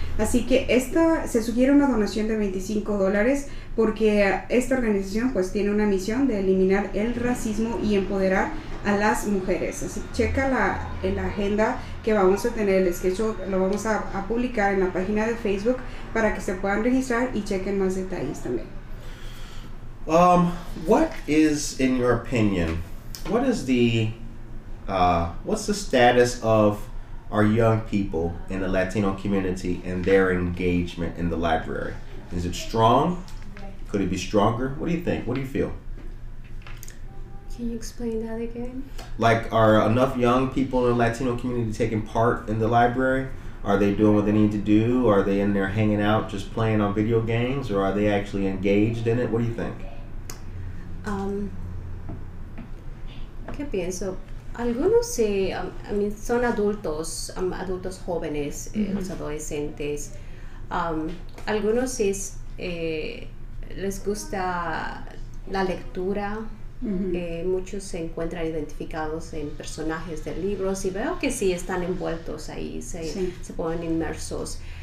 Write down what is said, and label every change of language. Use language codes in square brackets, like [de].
[es] Así que esta, se sugiere una donación de $25 porque esta organización pues tiene una misión de eliminar el racismo y empoderar a las mujeres. Así que checa la agenda que vamos a tener, el sketch lo vamos a publicar en la página de Facebook para que se puedan registrar y chequen más detalles también. [en] What is, in your opinion, what is the what's the status of our young people in the Latino community and their engagement in the library? Is it strong? Could it be stronger? What do you think? What do you feel? Can you explain that again? Like, are enough young people in the Latino community taking part in the library? Are they doing what they need to do? Are they in there hanging out, just playing on video games? Or are they actually engaged in it? What do you think? [es] ¿Qué pienso? Algunos sí, son adultos, adultos jóvenes, los adolescentes. Algunos sí les gusta la lectura. Muchos se encuentran identificados en personajes de libros y veo que sí están envueltos ahí, se ponen inmersos.